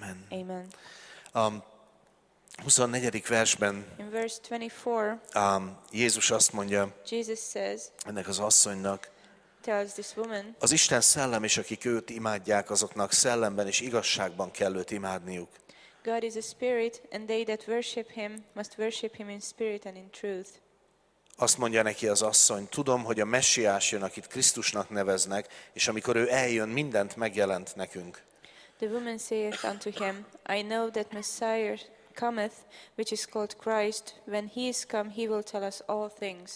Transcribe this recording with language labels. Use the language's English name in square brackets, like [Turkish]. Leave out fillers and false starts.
[Hungarian] Amen. Amen. 24. versben [English] in verse 24, [Hungarian] Jézus azt mondja [English] Jesus says, [Hungarian] ennek az asszonynak, [English] tells this woman, [Hungarian] az Isten szellem és akik őt imádják, azoknak szellemben és igazságban kell őt imádniuk. [English] God is a spirit, and they that worship him must worship him in spirit and in truth. [Hungarian] Azt mondja neki az asszony, tudom, hogy a Messiás jön, akit Krisztusnak neveznek, és amikor ő eljön, mindent megjelent nekünk. [English] The woman saith unto him, I know that Messiah cometh, which is called Christ. When he is come, he will tell us all things.